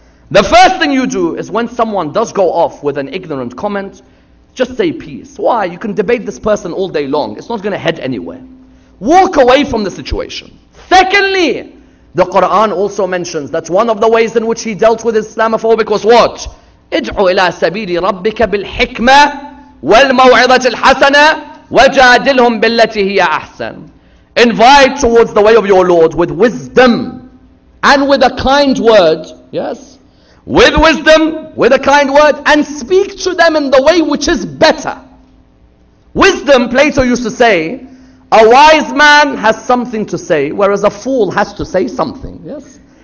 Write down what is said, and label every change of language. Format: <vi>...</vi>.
<en>The first thing you do is when someone does go off with an ignorant comment, just say peace. Why? You can debate this person all day long. It's not going to head anywhere. Walk away from the situation. Secondly, the Quran also mentions that one of the ways in which he dealt with Islamophobic was what?</en> <ar>ادعو إلى سبيل ربك بالحكمة والموعظة الحسنة وجادلهم بالتي هي أحسن.</ar> <en>Invite towards the way of your Lord with wisdom and with a kind word. Yes? With wisdom, with a kind word, and speak to them in the way which is better. Wisdom, Plato used to say, a wise man has something to say, whereas a fool has to say something. Yes?</en>